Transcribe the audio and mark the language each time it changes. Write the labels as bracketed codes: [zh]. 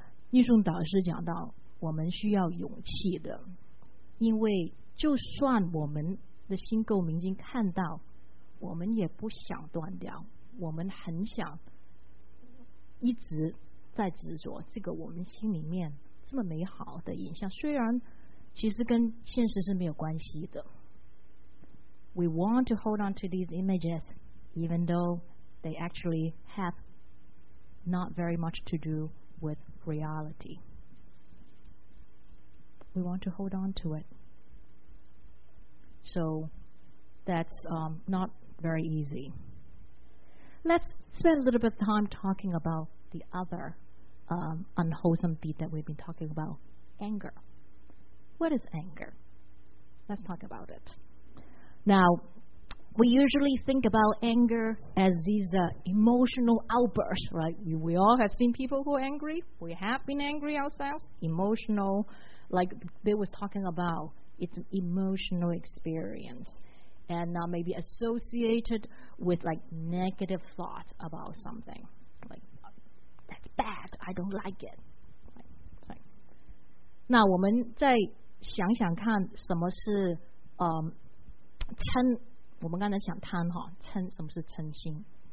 [zh] 印顺导师讲到我们需要勇气的，因为就算我们的心够明净看到，我们也不想断掉，我们很想一直在执着这个我们心里面这么美好的影像，虽然其实跟现实是没有关系的。 [en] We want to hold on to these images, even though they actually have not very much to do with reality. We want to hold on to it. So that's not very easy. Let's spend a little bit of time talking about the other unwholesome deed that we've been talking about, anger. What is anger? Let's talk about it. Now, we usually think about anger as these emotional outbursts, right? We all have seen people who are angry. We have been angry ourselves. Emotional, like Bill was talking about, it's an emotional experience. And maybe associated with like negative thoughts about something. Like, that's bad. I don't like it. Right. [zh] 那我们再想想看什么是 嗔, 我们刚才讲贪, 嗔, 什么是嗔心?